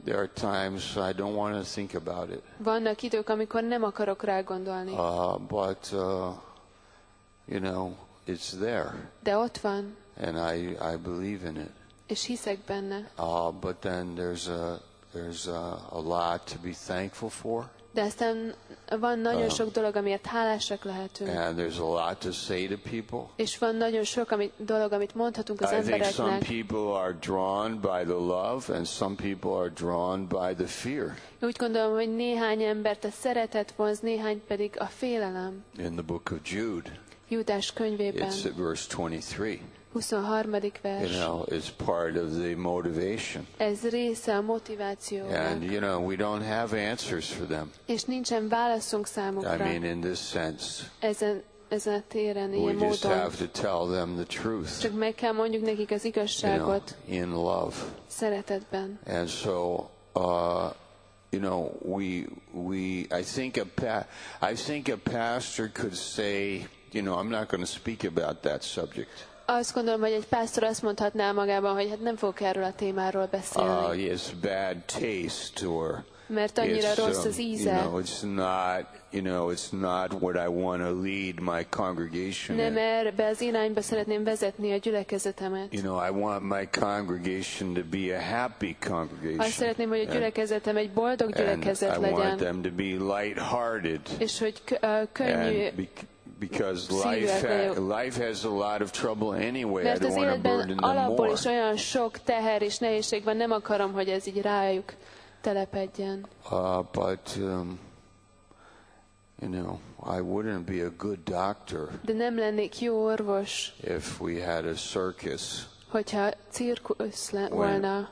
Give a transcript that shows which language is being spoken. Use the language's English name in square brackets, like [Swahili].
[English] There are times I don't want to think about it. [Hungarian] Vannak idők, amikor nem akarok rá gondolni. [English] You know, it's there. [Hungarian] De ott van. [English] And I believe in it. [Hungarian] És hiszek benne. [English] But then there's a lot to be thankful for. [Hungarian] De aztán van nagyon sok dolog, amiért hálásak lehetünk. [English] And there's a lot to say to people. [Hungarian] És van nagyon sok dolog, amit mondhatunk az embereknek. [English] I think some people are drawn by the love, and some people are drawn by the fear. [Hungarian] Úgy gondolom, hogy néhány embert a szeretet vonz, néhány pedig a félelem. [English] In the book of Jude. [Hungarian] Júdás könyvében. [English] It's verse 23. [Hungarian] 23. vers. [English] You know, it's part of the motivation. [Hungarian] Ez része a motivációnak. [English] And you know, we don't have answers for them. [Hungarian] És nincsen válaszunk számukra. [English] I mean, in this sense. [Hungarian] Ezen a téren, ilyen módon. [English] We just have to tell them the truth. [Hungarian] Csak meg kell mondjuk nekik az igazságot. [English] You know, in love. [Hungarian] Szeretetben. [English] And so, you know, I think a pastor could say, you know, I'm not going to speak about that subject. [Hungarian] Azt gondolom, hogy egy pásztor azt mondhatná magában, hogy hát nem fogok erről a témáról beszélni. [English] It's bad taste or. [Hungarian] Mert annyira rossz az íze. [English] You know, it's not, you know, it's not what I want to lead my congregation. [Hungarian] Nem erre az irányba szeretném vezetni a gyülekezetemet. [English] You know, I want my congregation to be a happy congregation. [Hungarian] Azt szeretném, hogy a gyülekezetem egy boldog gyülekezet [English] and [Hungarian] legyen. [English] I want them to be light-hearted. [Hungarian] És hogy könnyű. [English] Because life has a lot of trouble anyway. I don't want to burden them more. [Hungarian] Alapból is olyan sok teher és nehézség van, nem akarom, hogy ez így rájuk telepedjen. [English] You know, I wouldn't be a good doctor. [Hungarian] De nem lennék jó orvos. [English] If we had a circus. [Hungarian] Hogyha cirkusz lett volna.